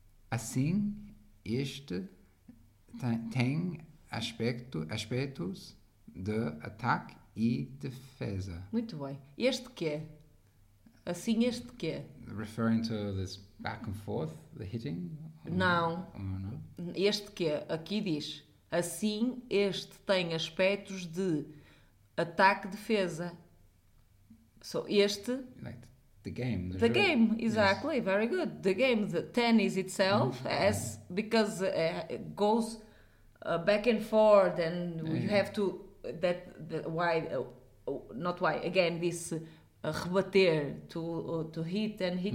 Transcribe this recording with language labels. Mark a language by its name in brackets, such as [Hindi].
[Portuguese] Assim, este tem aspectos de ataque e defesa. Muito bem. Este quê? Assim, este quê? [English] Referring to this back and forth, the hitting? [Portuguese] Não. Este quê? Aqui diz, assim, este tem aspectos de ataque e defesa. [English] So, este... Like the game. The game, exactly. Yes. Very good. The game, the tennis itself, as because it goes... back and forth, and we have to rebater to hit and hit